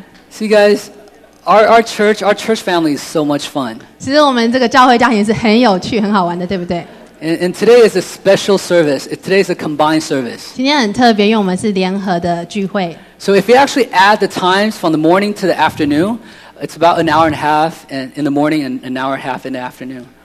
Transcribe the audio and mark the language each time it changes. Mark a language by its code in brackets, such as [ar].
[en] See, guys, our church family is so much fun. [zh] 其实我们这个教会家庭是很有趣、很好玩的，对不对？ [en] And today is a special service. Today is a combined service. [zh] 今天很特别，因为我们是联合的聚会。 [en] So if you actually add the times from the morning to the afternoon, it's about an hour and a half in the morning and an hour and a half in the afternoon.